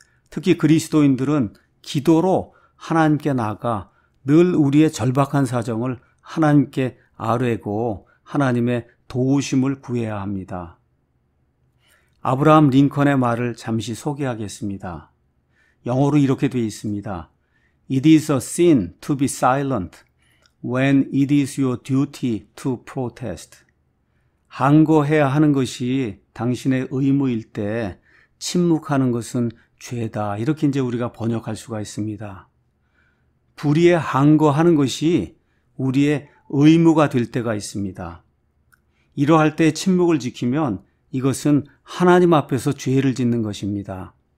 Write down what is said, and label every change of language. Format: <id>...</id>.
<ko>특히 그리스도인들은 기도로 하나님께 나아가 늘 우리의 절박한 사정을 하나님께 아뢰고 하나님의 도우심을 구해야 합니다. 아브라함 링컨의 말을 잠시 소개하겠습니다. 영어로 이렇게 되어 있습니다.</ko> <en>It is a sin to be silent when it is your duty to protest.</en> <ko>항거해야 하는 것이 당신의 의무일 때 침묵하는 것은 죄다. 이렇게 이제 우리가 번역할 수가 있습니다. 불의에 항거하는 것이 우리의 의무가 될 때가 있습니다. 이러할 때 침묵을 지키면 이것은 하나님 앞에서 죄를 짓는 것입니다.</ko>